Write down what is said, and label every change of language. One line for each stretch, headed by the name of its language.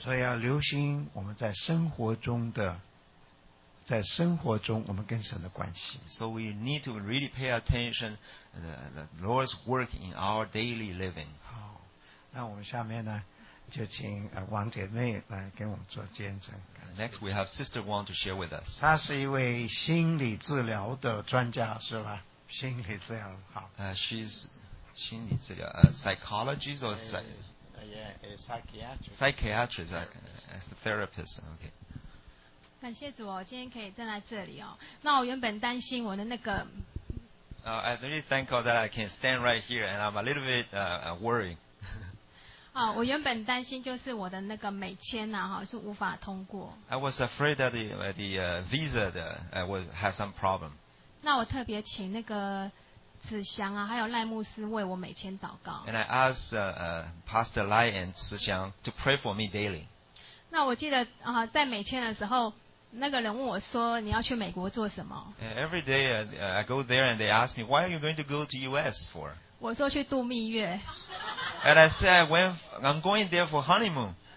Chinese: 所以要留心我们在生活中我们跟神的关系。
English: So we need to really pay attention to the Lord's work in our daily living.
Chinese: 好，那我们下面呢？就请王姐妹来跟我们做见证。
English: Next, we have Sister Wang to share with us.
Chinese: 她是一位心理治疗的专家，是吧？心理治疗好。
English: She's
Chinese: 心理治疗
English: psychologist or psychiatrist, as a therapist. Okay.
Chinese: 感谢主哦，今天可以站在这里哦。那我原本担心我的那个。
English: I really thank God that I can stand right here, and I'm a little bit worried.
Chinese: 我原本担心就是我的那个美签啊是无法通过。
English: I was afraid that the visa would have some problem.
Chinese: 那我特别请那个子祥啊还有赖牧师为我美签祷告。
English: And I asked Pastor Lai and 子祥 to pray for me daily.
Chinese: 那我记得啊在美签的时候那个人问我说你要去美国做什么
English: ?Every day I go there and they ask me, why are you going to go to US for?
Chinese: 我说去度蜜月。
English: And I said, I'm going there for honeymoon.